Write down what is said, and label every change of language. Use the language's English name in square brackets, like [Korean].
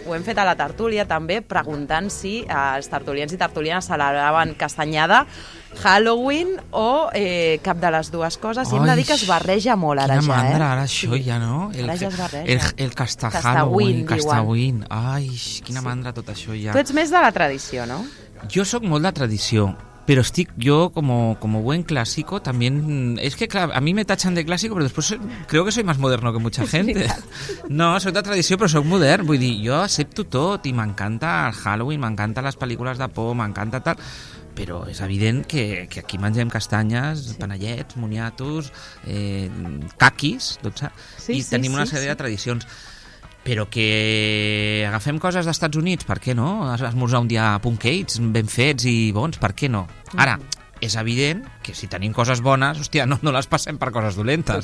[Catalan] Ho hem fet a la tertúlia també, preguntant si els tertulians i tertulianes celebraven castanyada, Halloween o cap de les dues coses. I hem de dir que es barreja molt ara quina ja, mandra, eh? Quina mandra, ara això sí. Ja, no? Ara ja es barreja. El castahalloween, castahalloween. Ai, quina sí. Mandra tot això ja. Tu ets més de la tradició, no? Jo sóc molt de tradició. [Spanish] Pero estic yo como buen clásico también, es que claro, a mí me tachan de clásico, pero después creo que soy más moderno que mucha gente. No, soy de tradición, pero soy moderno, [Catalan] vull dir, [Spanish] yo acepto todo y me encanta el Halloween, me encantan las películas de por, me encanta tal, pero [Catalan] es evident que aquí mengem castanyes, sí. Panellets, moniatos, caquis, doncs, sí, i sí, tenim una sèrie sí, de tradicions. Però que agafem coses dels Estats Units, per què no? Esmorzar un dia punkets, ben fets i bons, per què no? Ara, és evident que si tenim coses bones, hòstia, no les passem per coses dolentes,